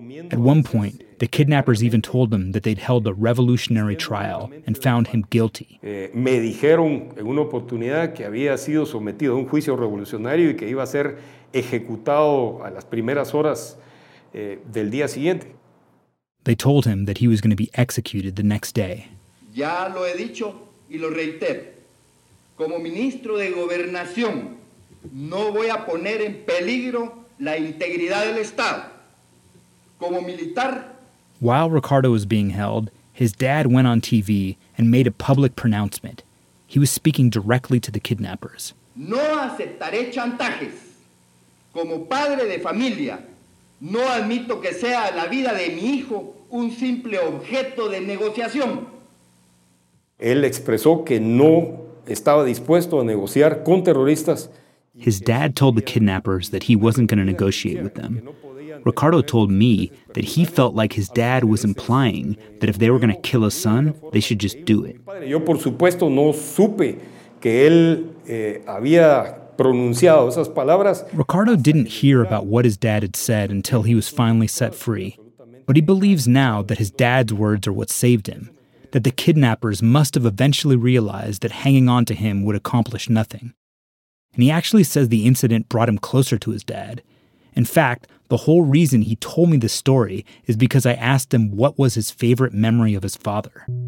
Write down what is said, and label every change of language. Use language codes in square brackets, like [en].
[en] At one point, the kidnappers even told him that they'd held a revolutionary trial and found him guilty. [es] Me dijeron en una oportunidad que había sido sometido a un juicio revolucionario y que iba a ser ejecutado a las primeras horas del día siguiente. [en] They told him that he was going to be executed the next day. [es] Ya lo he dicho y lo reitero. Como ministro de Gobernación, no voy a poner en peligro la integridad del Estado. Como militar. [en] While Ricardo was being held, his dad went on TV and made a public pronouncement. He was speaking directly to the kidnappers. [es] No aceptaré chantajes. Como padre de familia, no admito que sea la vida de mi hijo un simple objeto de negociación. Él expresó que no estaba dispuesto a negociar con terroristas. [en] His dad told the kidnappers that he wasn't going to negotiate with them. Ricardo told me that he felt like his dad was implying that if they were going to kill a son, they should just do it. [es] Yo, por supuesto, no supe que él había pronunciado esas palabras. [en] Ricardo didn't hear about what his dad had said until he was finally set free. But he believes now that his dad's words are what saved him, that the kidnappers must have eventually realized that hanging on to him would accomplish nothing. And he actually says the incident brought him closer to his dad. In fact, the whole reason he told me this story is because I asked him what was his favorite memory of his father.